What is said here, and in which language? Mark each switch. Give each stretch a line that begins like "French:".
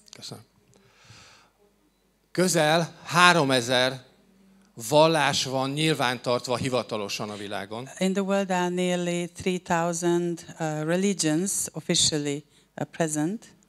Hungarian: Köszönöm. Közel 3000 vallás van nyilvántartva hivatalosan a világon.
English: In the world are nearly 3000 religions officially present.